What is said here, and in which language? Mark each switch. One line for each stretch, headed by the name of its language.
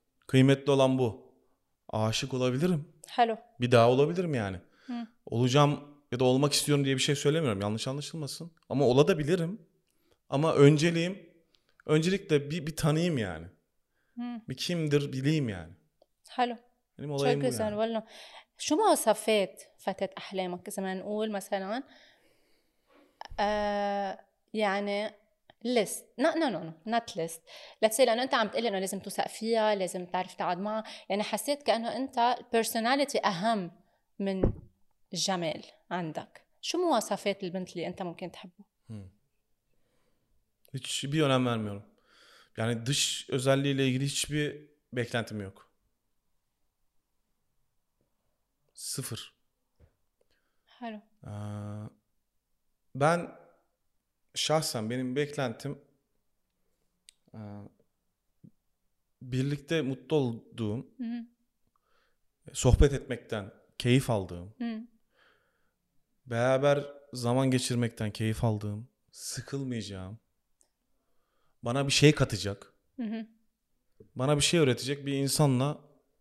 Turkish: Kıymetli olan bu. Aşık olabilirim.
English: Hello.
Turkish: Bir daha olabilirim yani. Olacağım ya da olmak istiyorum diye bir şey söylemiyorum. Yanlış anlaşılmasın. Ama olabilirim. Ama öncelikle bir tanıyayım yani. Bir kimdir bileyim yani.
Arabic: حلو، يعني شو موضوعين جزء يعني. والله. شو مواصفات فتاة أحلامك إذا ما نقول مثلا يعني ليست؟ لا لا لا
English: not ليست، let's see,
Arabic: لأنه أنت عم تقول إنه لازم تثق فيها، لازم تعرف تقعد معها، يعني حسيت كأنه أنت البيرسوناليتي أهم من الجمال عندك. شو مواصفات البنت اللي أنت ممكن تحبه؟
Turkish: Hiçbir önem vermiyorum. Yani dış özelliğiyle ilgili hiçbir beklentim yok. Sıfır.
English: Hello.
Turkish: Ben şahsen benim beklentim birlikte mutlu olduğum, sohbet etmekten keyif aldığım, beraber zaman geçirmekten keyif aldığım, sıkılmayacağım, bana bir şey katacak, bana bir şey öğretecek bir insanla